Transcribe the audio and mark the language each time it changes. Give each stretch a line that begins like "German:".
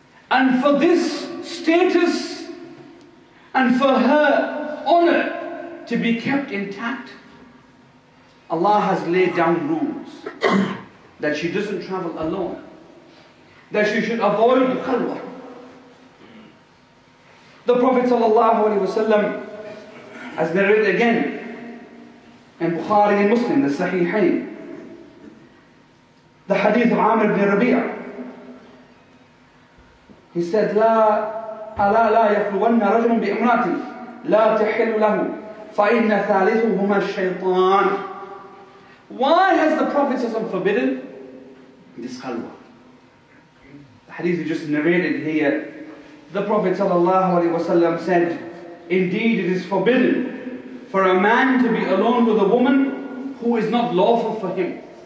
English: And for this status and for her honor to be kept intact, Allah has laid down rules that she doesn't travel alone, that she should avoid khalwa. The Prophet sallallahu alaihi wasallam has narrated again in Bukhari and Muslim, the Sahihain, the hadith of Amr ibn Rabi'ah. He said,
Arabic: لا يخلون رجل بإمراتي لا تحل له فإن ثالثهما الشيطان.
English: Why has the Prophet forbidden this khalwa? The hadith just narrated here, the Prophet said, indeed it is forbidden for a man to be alone with a woman who is not lawful for him.